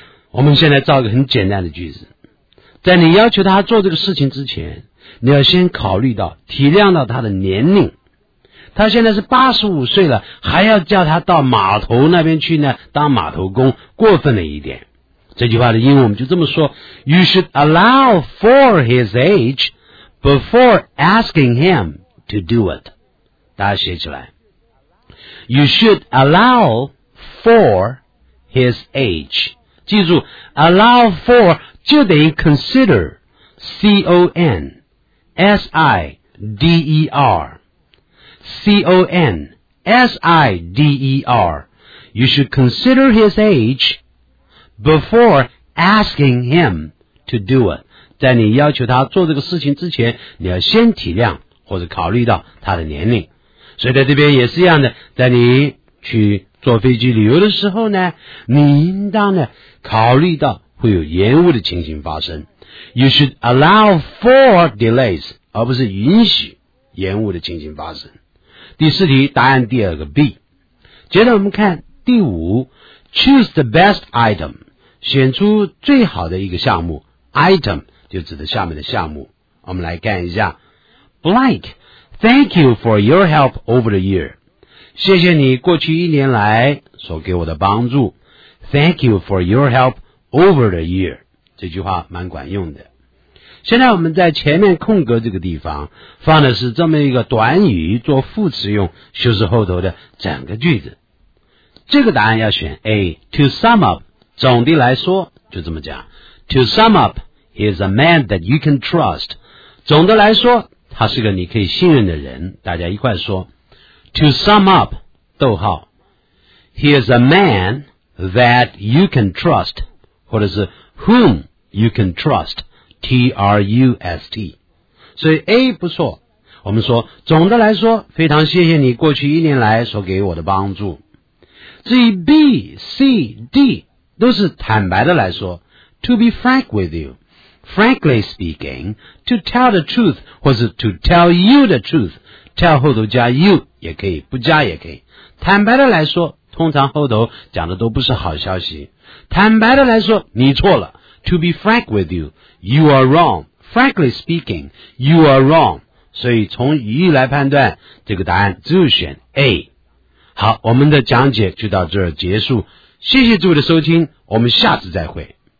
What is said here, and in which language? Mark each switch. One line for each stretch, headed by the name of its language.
Chinese: 我们现在造一个很简单的句子，在你要求他做这个事情之前，你要先考虑到体谅到他的年龄，他现在是85岁了，还要叫他到码头那边去呢当码头工，过分了一点。这句话的英文我们就这么说，
English: You should allow for his age before asking him to do it，
Chinese: 大家写起来，
English: You should allow for his age，
Chinese: 记住
English: allow for
Chinese: 就等于
English: consider C-O-N-S-I-D-E-R C-O-N-S-I-D-E-R You should consider his age before asking him to do it.
Chinese: 在你要求他做这个事情之前，你要先体谅或者考虑到他的年龄。所以在这边也是一样的，在你去坐飞机旅游的时候呢，你应当呢考虑到会有延误的情形发生。
English: You should allow for delays,
Chinese: 而不是允许延误的情形发生。第四题，答案第二个 B。接着我们看第五 ,
English: choose the best item,
Chinese: 选出最好的一个项目 ,item 就指的下面的项目。我们来看一下。
English: Blank, thank you for your help over the year.
Chinese: 谢谢你过去一年来所给我的帮助。
English: Thank you for your help over the year.
Chinese: 这句话蛮管用的。现在我们在前面空格这个地方放的是这么一个短语做副词用，修饰后头的整个句子。这个答案要选 A,
English: to sum up,
Chinese: 总的来说就这么讲。
English: To sum up, he is a man that you can trust.
Chinese: 总的来说他是个你可以信任的人，大家一块说。
English: To sum up,
Chinese: 逗号。
English: He is a man that you can trust, 或者是 whom you can trust.
Chinese: T-R-U-S-T 所以 A 不错，我们说总的来说非常谢谢你过去一年来所给我的帮助。至于 B C D 都是坦白的来说，
English: To be frank with you, frankly speaking, to tell the truth
Chinese: 或是 to tell you the truth, tell 后头加 you 也可以，不加也可以。坦白的来说通常后头讲的都不是好消息，坦白的来说你错了。
English: To be frank with you, you are wrong. Frankly speaking, you are wrong.
Chinese: 所以从语义来判断，这个答案只有选 A。好，我们的讲解就到这儿结束。谢谢诸位的收听，我们下次再会。